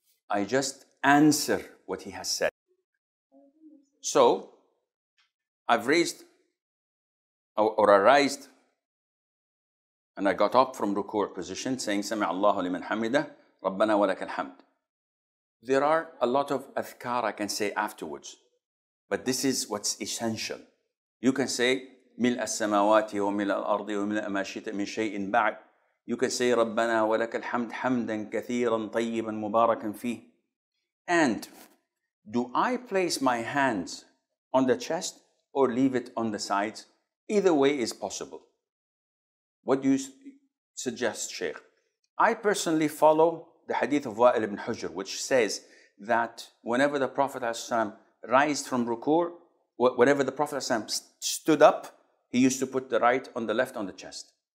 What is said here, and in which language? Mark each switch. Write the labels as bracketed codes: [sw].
[en] I just answer what he has said. So, I've raised or arised and I got up from ruku' position saying [ar] سَمِعَ اللَّهُ لِمَنْ حَمِدَهُ رَبَّنَا وَلَكَ الْحَمْدُ. [en] There are a lot of adhkar I can say afterwards, but this is what's essential. You can say [ar] مِلْ السَّمَوَاتِ وَمِلْ الْأَرْضِ وَمِلْ أَمَاشِيْتَ مِنْ شَيْءٍ بَعْدٍ. [en] You can say [ar] رَبَّنَا وَلَكَ الْحَمْدُ حَمْدًا كَثِيرًا طَيِّبًا مُبَارَكًا فِيهِ. [en] And do I place my hands on the chest or leave it on the sides? Either way is possible. What do you suggest, Sheikh? I personally follow the hadith of Wa'il ibn Hujr, which says that whenever the Prophet ﷺ rised from ruku', whenever the Prophet ﷺ stood up, he used to put the right on the left on the chest.